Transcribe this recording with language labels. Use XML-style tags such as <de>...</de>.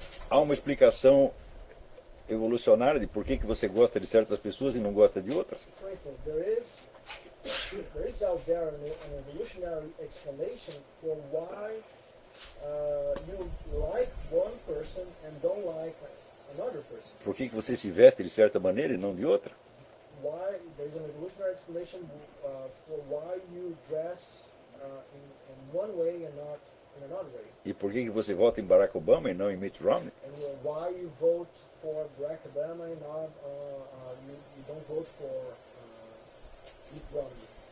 <pt>Há uma explicação evolucionária de por que você gosta de certas pessoas e não gosta de outras?</pt> <en>For instance, there is out there an evolutionary explanation for why you like one person and don't like another person.</en> <pt>Por que você se veste de certa maneira e não de outra?</pt> <en>Why there is an evolutionary explanation for why you dress in one way and not</en> <pt>E por que você vota em Barack Obama e não em Mitt Romney?</pt> <en>And why you vote for Barack Obama and not you don't vote for Mitt Romney?</en>